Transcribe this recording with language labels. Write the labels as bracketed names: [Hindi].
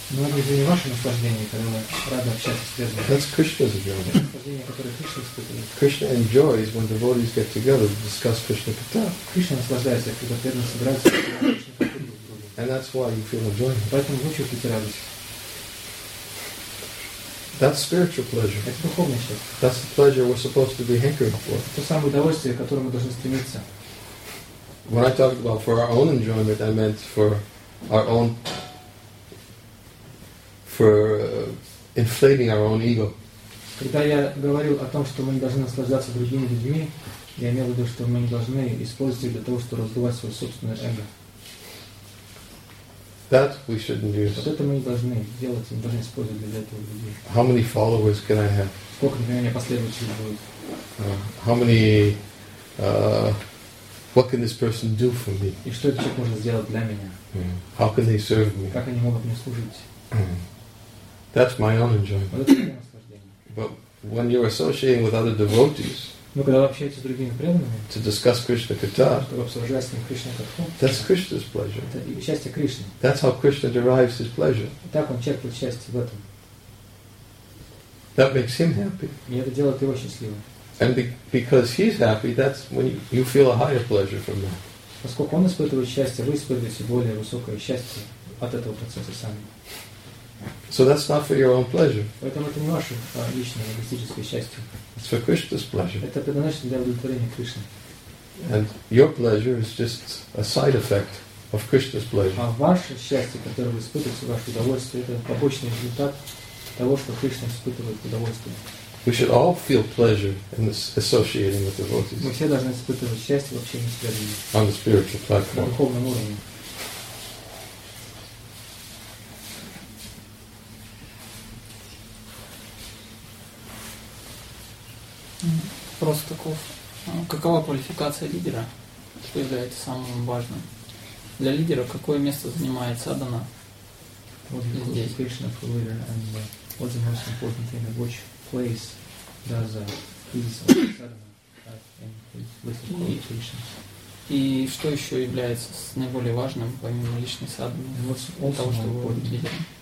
[Russian] Но это не ваше наслаждение, когда вы рады общаться с преданными. [English] That's Krishna's enjoyment. [Russian] Наслаждение, которое Кришна испытывает. [English] Krishna enjoys when devotees get together to discuss Krishna Katha. [Russian] Кришна наслаждается, когда преданные собираются и Кришна [English] Катху. And that's why you feel enjoyment. [Russian] Поэтому вы чувствуете радость. [English] That's spiritual pleasure. [Russian] Это духовное счастье. [English] That's the pleasure we're supposed to be hankering for. [Russian] Это то самое удовольствие, к которому мы должны стремиться. [English] When I talked about for our own enjoyment, I meant for our own, for inflating our own ego. [Russian] Когда я говорил о том, что мы не должны наслаждаться другими людьми, я имел в виду, что мы не должны использовать их для того, чтобы раздувать свое собственное эго. [English] That we shouldn't use. [Russian] Вот это мы не должны делать, мы должны использовать для этого людей. [English] How many followers can I have? [Russian] Сколько для меня последователей будет? [English] How many? What can this person do for me? [Russian] И что этот человек может сделать для меня? [English] How can they serve me? [Russian] Как они могут мне служить? [English] That's my own enjoyment. But when you're associating with other devotees, [Russian] но когда вы общаетесь с другими преданными, [English] to discuss Krishna Katha, [Russian] чтобы обсуждать с ним Кришна Катху, [English] that's Krishna's pleasure. [Russian] Это счастье Кришны. [English] That's how Krishna derives his pleasure. [Russian] И так он черпает счастье в этом. [English] That makes him happy. [Russian] И это делает его счастливым. [English] And because he's happy, that's when you feel a higher pleasure from that. [Russian] Поскольку он испытывает счастье, вы испытываете более высокое счастье от этого процесса сами. [English] So that's not for your own pleasure. [Russian] Поэтому это не ваше личное эгоистическое счастье. [English] It's for Krishna's pleasure. [Russian] Это предназначено для удовлетворения Кришны. [English] And your pleasure is just a side effect of Krishna's pleasure. [Russian] А ваше счастье, которое вы испытываете, ваше удовольствие, это побочный результат того, что Кришна испытывает удовольствие. [English] We should all feel pleasure in associating with devotees. [Russian] Мы все должны испытывать счастье в общении с преданными. [English] On the spiritual platform. [Russian] На духовном уровне. Просто таков. Какова квалификация лидера? Что является самым важным? Для лидера какое место занимает садхана? [English] What is the qualification of a leader and what's the most important thing in which place does a leader have in his list of qualifications? [Russian] И что еще является наиболее важным, помимо личной садханы, для того, чтобы быть лидером?